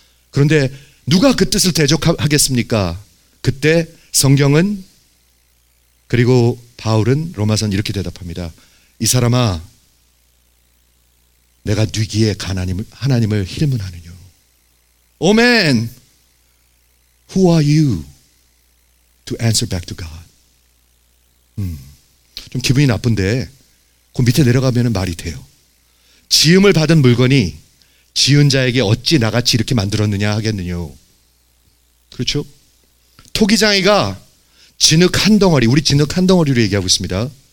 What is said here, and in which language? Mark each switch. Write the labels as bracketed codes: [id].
[ko] 그런데 누가 그 뜻을 대적하겠습니까? 그때 성경은 그리고 바울은 로마서는 이렇게 대답합니다. 이 사람아 내가 뉘기에 하나님을 힐문하느뇨. 오멘. [en] Who are you to answer back to God? [ko] 좀 기분이 나쁜데 그 밑에 내려가면 말이 돼요. 지음을 받은 물건이 지은 자에게 어찌 나같이 이렇게 만들었느냐 하겠느뇨. 그렇죠? 토기장이가 진흙 한 덩어리, 우리 진흙 한 덩어리로 얘기하고 있습니다.